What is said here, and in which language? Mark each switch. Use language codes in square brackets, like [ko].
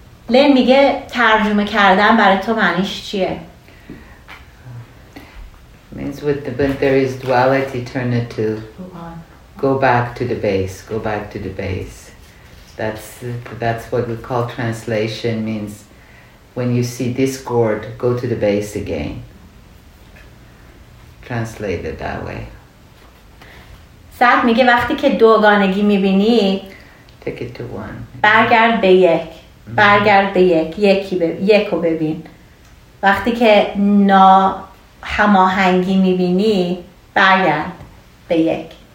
[fa] لن میگه ترجمه کردن برای تو معنیش چیه؟ [en] Means when there is duality, turn it to go back to the base. Go back to the base. That's what we call translation. Means when you see discord, go to the base again. Translate it that way. [fa] سعد میگه وقتی که دوگانگی میبینی [en] take it to one. [fa] برگرد به یک. برگرد به یک، یکو ببین. وقتی که نا هماهنگی میبینی برگرد به یک.